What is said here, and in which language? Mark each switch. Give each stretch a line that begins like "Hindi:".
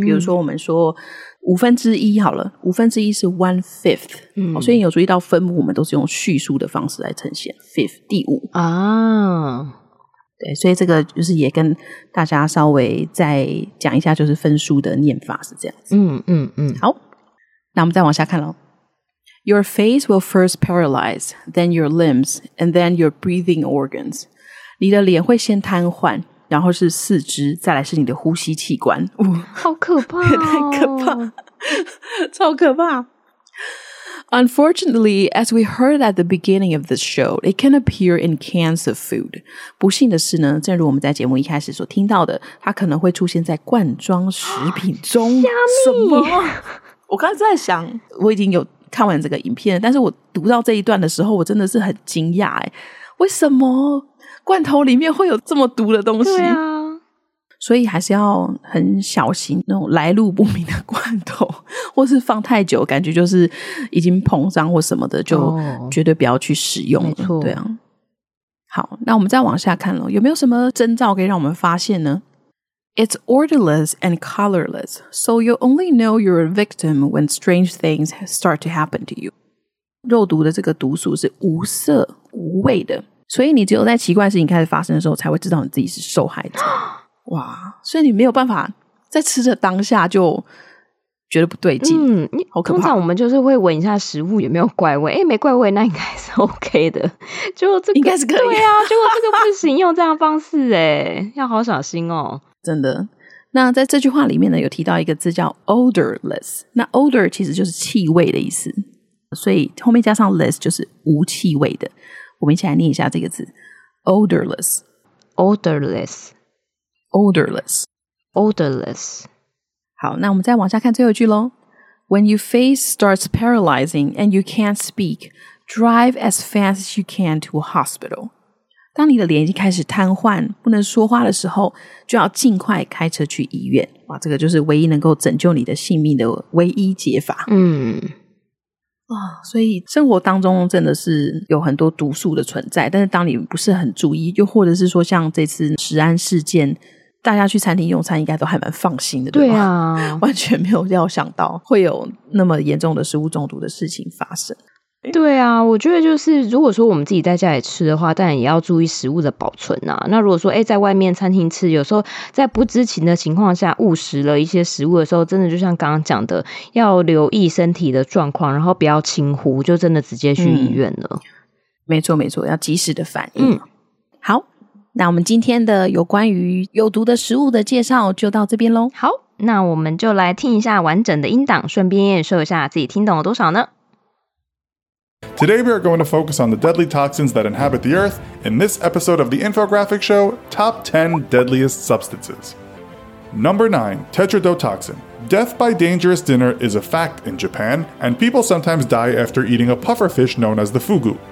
Chinese: 比如说我们说1/5好了，1/5是 1/5。嗯，所以你有注意到分母我们都是用序数的方式来呈现 5th 第五啊。对，所以这个就是也跟大家稍微再讲一下，就是分数的念法是这样子。嗯嗯嗯，好，那我们再往下看咯。
English: Your face will first paralyze, then your limbs, and then your breathing organs.
Chinese: 你的脸会先瘫痪，然后是四肢，再来是你的呼吸器官。好可怕、哦、太可怕，超可怕。
English: Unfortunately, as we heard at the beginning of this show, it can appear in cans of food.
Chinese: 不幸的是呢，正如我们在节目一开始所听到的，它可能会出现在罐装食品中。虾米？什么？我刚才在想，我已经有看完这个影片，但是我读到这一段的时候，我真的是很惊讶、欸、为什么罐头里面会有这么毒的东西？对啊，所以还是要很小心那种来路不明的罐头，或是放太久感觉就是已经膨胀或什么的，就绝对不要去使用了、哦、没错。对啊，好，那我们再往下看咯，有没有什么征兆可以让我们发现呢？
English: It's odorless and colorless, so you only know you're a victim when strange things start to happen to you.
Chinese: 肉毒的这个毒素是无色无味的，所以你只有在奇怪的事情开始发生的时候才会知道你自己是受害者。哇，所以你没有办法在吃的当下就觉得不对劲。嗯，好可怕。通常我们就是会闻一下食物有没有怪味，诶，没怪味那应该是 OK 的，就这个应该是可以。对啊，结果这个不行用这样的方式，诶，要好小心哦，真的。那在这句话里面呢，有提到一个字叫 odorless。那 odor 其实就是气味的意思，所以后面加上 less 就是无气味的。我们一起来念一下这个字 odorless
English: odorless odorless odorless。
Chinese: 好，那我们再往下看最后一句咯。
English: When your face starts paralyzing and you can't speak, drive as fast as you can to a hospital.
Chinese: 当你的脸已经开始瘫痪不能说话的时候，就要尽快开车去医院。哇，这个就是唯一能够拯救你的性命的唯一解法。嗯，所以生活当中真的是有很多毒素的存在，但是当你不是很注意，又或者是说像这次食安事件，大家去餐厅用餐应该都还蛮放心的，对吧？对啊，完全没有料想到会有那么严重的食物中毒的事情发生。对啊，我觉得就是如果说我们自己在家里吃的话，当然也要注意食物的保存啊。那如果说在外面餐厅吃，有时候在不知情的情况下误食了一些食物的时候，真的就像刚刚讲的，要留意身体的状况，然后不要轻忽，就真的直接去医院了、嗯、没错没错，要及时的反应、嗯、好，那我们今天的有关于有毒的食物的介绍就到这边咯。好，那我们就来听一下完整的音档，顺便验收一下自己听懂了多少呢。
English: Today we are going to focus on the deadly toxins that inhabit the earth in this episode of the infographic show, Top 10 Deadliest Substances. Number 9, tetrodotoxin. Death by dangerous dinner is a fact in Japan, and people sometimes die after eating a puffer fish known as the fugu.